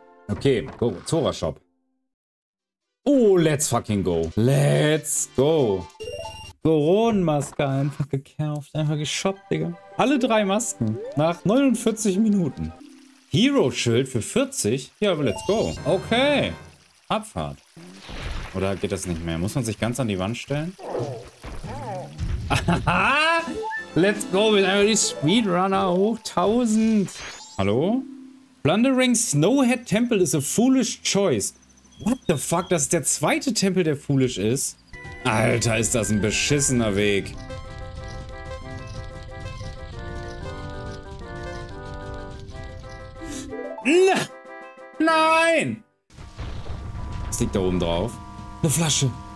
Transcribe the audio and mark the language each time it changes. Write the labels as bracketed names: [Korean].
[English] Okay, go, Zora Shop. Oh, let's fucking go. Let's go. [German] Goron-Maske einfach gekauft, einfach geshoppt, Digga. Alle drei Masken nach 49 Minuten. Hero-Schild für 40? Ja, aber [English] let's go. [German] Okay. Abfahrt. Oder geht das nicht mehr? Muss man sich ganz an die Wand stellen? [English] Let's go. [German] Wir sind einfach die Speedrunner hoch 1000. Hallo? [English] Blundering Snowhead Temple is a foolish choice. What the fuck? [German] Das ist der zweite Tempel, der foolish ist? Alter, ist das ein beschissener Weg. Nein! Was liegt da oben drauf? Eine Flasche.